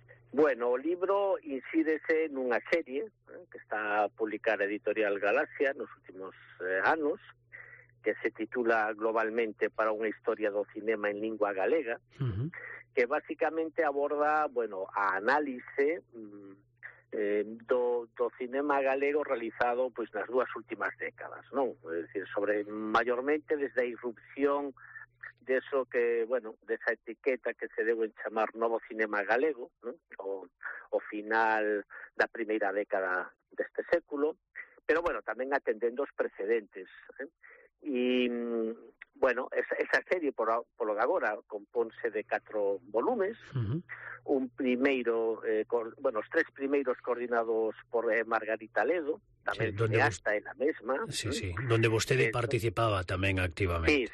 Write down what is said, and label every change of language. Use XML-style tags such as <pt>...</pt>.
<gl>Bueno, o libro incídese nunha serie que está a publicar a Editorial Galaxia nos últimos anos, que se titula globalmente Para unha historia do cinema en lingua galega, que básicamente aborda, bueno, a análise do cinema galego realizado pues nas dúas últimas décadas, non?</gl> <es>Es decir,</es> <gl>sobre maiormente desde a irrupción</gl> <es>de eso que, bueno, de esa etiqueta que</es> <gl>se deu en chamar novo cinema galego, ¿no? O final da primeira década deste século, pero bueno, tamén atendendo os precedentes, ¿eh?</gl> <es>Y bueno, esa serie, por lo que ahora, compónse de 4 volúmenes. Uh-huh. Un primero, los 3 primeros coordinados por Margarita Ledo, también cineasta en la misma. Sí, sí, donde usted participaba también activamente.</es>